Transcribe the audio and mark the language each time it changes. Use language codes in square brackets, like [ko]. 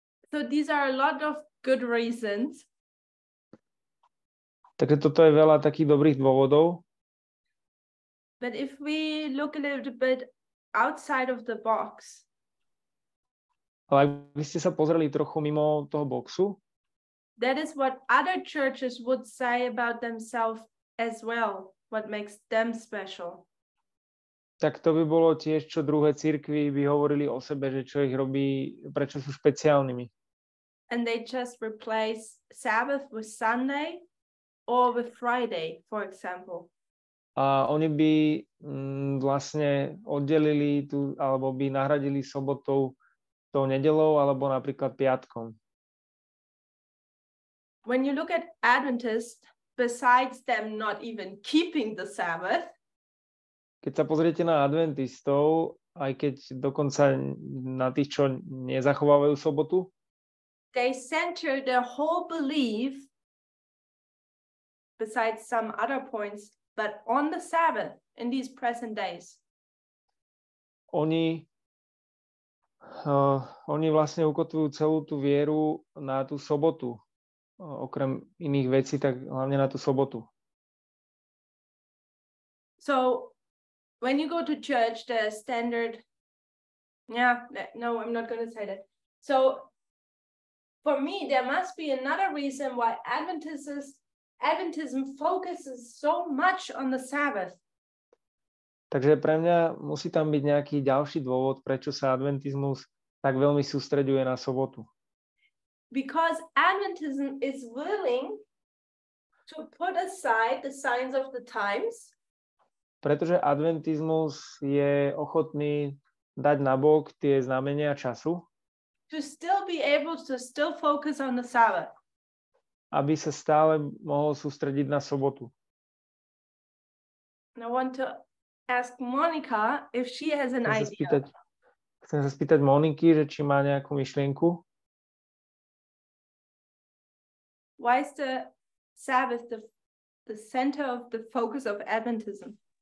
[en] So these are a lot of good reasons. [sk] Takže toto je veľa takých dobrých dôvodov. [en] But if we look a little bit outside of the box. [sk] Ale ak by ste sa pozreli trochu mimo toho boxu? [en] That is what other churches would say about themselves as well, what makes them special. [sk] Tak to by bolo tiež, čo druhé cirkvi by hovorili o sebe, že čo ich robí, prečo sú špeciálnymi. [en] And they just replace Sabbath with Sunday or with Friday, for example. [sk] A oni by vlastne oddelili tú, alebo by nahradili sobotou tou nedelou, alebo napríklad piatkom. [en] When you look at Adventists, besides them not even keeping the Sabbath, [sk] keď sa pozriete na Adventistov, aj keď dokonca na tých, čo nezachovávajú sobotu, [en] they center their whole belief, besides some other points, but on the Sabbath, in these present days. [sk] Oni vlastne ukotvujú celú tú vieru na tú sobotu. Okrem iných vecí, tak hlavne na tú sobotu. [en] So, when you go to church, the standard... Yeah, no, I'm not going to say that. So, for me, there must be another reason why Adventism focuses so much on the Sabbath. [sk] Takže pre mňa musí tam byť nejaký ďalší dôvod, prečo sa Adventizmus tak veľmi sústreďuje na sobotu. [en] Because Adventism is willing to put aside the signs of the times. [sk] Pretože Adventizmus je ochotný dať nabok tie znamenia času. [en] To still be able to still focus on the Sabbath. [sk] Aby sa stále mohol sústrediť na sobotu. [en] I want to ask Monika if she has an idea. [sk] Chcem sa spýtať Moniky, že či má nejakú myšlienku. [en] Why is the Sabbath the center of the focus of Adventism?